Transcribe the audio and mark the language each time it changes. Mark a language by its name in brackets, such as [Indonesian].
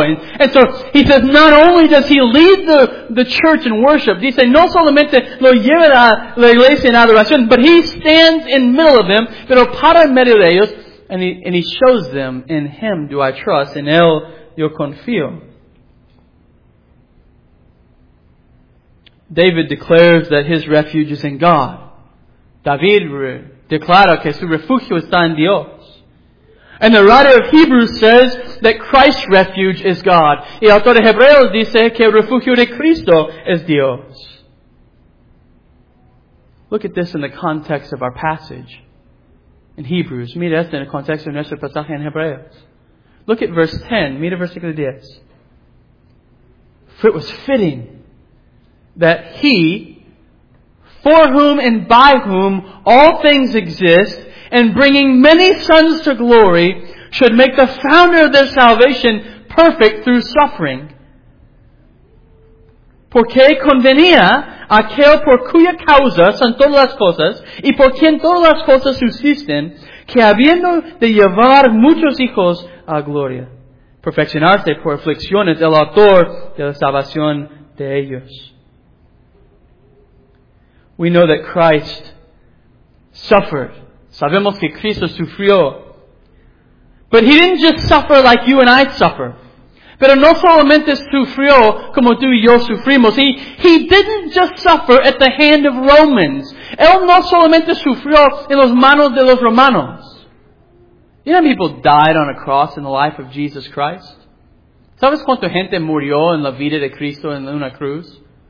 [English] And so he says, not only does he lead the church in worship, [Spanish] dice, no solamente lo lleva a la iglesia en adoración, [English] but he stands in the middle of them, [Spanish] pero para en medio de ellos, [English] and he shows them, in him do I trust, in [Spanish] él yo confío. [English] David declares that his refuge is in God. [Spanish] David declara que su refugio está en Dios. [English] And the writer of Hebrews says that Christ's refuge is God. [Spanish] Y el autor de Hebreos dice que el refugio de Cristo es Dios. [English] Look at this in the context of our passage in Hebrews. [Spanish] Mira esto en el contexto de nuestro pasaje en Hebreos. [English] Look at verse 10. [Spanish] Mira versículo 10. [English] For it was fitting that he, for whom and by whom all things exist, and bringing many sons to glory, should make the founder of their salvation perfect through suffering. [Spanish] Porque convenía aquel por cuya causa son todas las cosas, y por quien todas las cosas subsisten, que habiendo de llevar muchos hijos a gloria, perfeccionarse por aflicciones el autor de la salvación de ellos. [English] We know that Christ suffered. [Spanish] Sabemos que Cristo sufrió. [English] But he didn't just suffer like you and I suffer. [Spanish] Pero no solamente sufrió como tú y yo sufrimos. [English] He didn't just suffer at the hand of Romans. [Spanish] Él no solamente sufrió en las manos de los romanos. [English] You know how people died on a cross in the life of Jesus Christ? [Spanish] ¿Sabes cuánta gente murió en la vida de Cristo en una cruz?